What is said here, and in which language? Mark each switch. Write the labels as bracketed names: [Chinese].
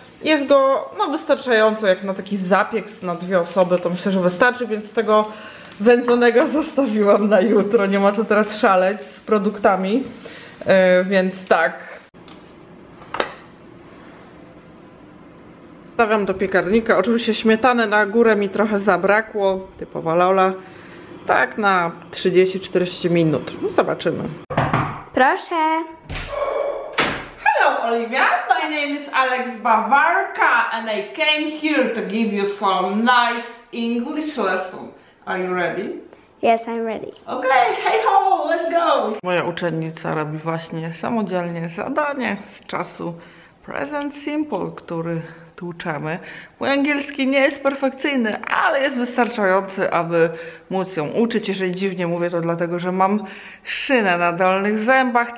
[Polish] Jest go, no, wystarczająco, jak na taki zapiek na dwie osoby, to myślę, że wystarczy, więc tego wędzonego zostawiłam na jutro, nie ma co teraz szaleć z produktami, więc tak. Stawiam do piekarnika, oczywiście śmietany na górę mi trochę zabrakło, typowa Lola, tak na 30-40 minut, no zobaczymy. Proszę. [English] Olivia, my name is Alex Bawarka and I came here to give you some nice English lesson. Are you ready? Yes, I'm ready. Okay, hey ho, let's go! [Polish] Moja uczennica robi właśnie samodzielnie zadanie z czasu Present Simple, który tłuczemy. Mój angielski nie jest perfekcyjny, ale jest wystarczający, aby móc ją uczyć. Jeżeli dziwnie mówię, to dlatego, że mam szynę na dolnych zębach.